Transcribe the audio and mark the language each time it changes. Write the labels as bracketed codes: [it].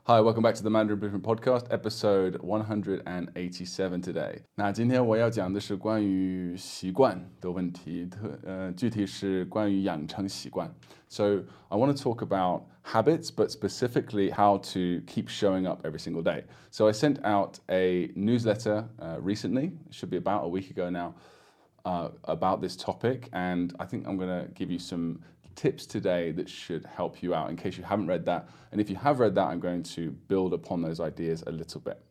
[en] Hi, welcome back to the Mandarin Blueprint Podcast, episode 187 today. [zh] 那今天我要讲的是关于习惯的问题，具体是关于养成习惯。 [en] So, I want to talk about habits, but specifically how to keep showing up every single day. So, I sent out a newsletter recently, it should be about a week ago now, about this topic, and I think I'm going to give you some... tips today that should help you out in case you haven't read that. And if you have read that, I'm going to build upon those ideas a little bit.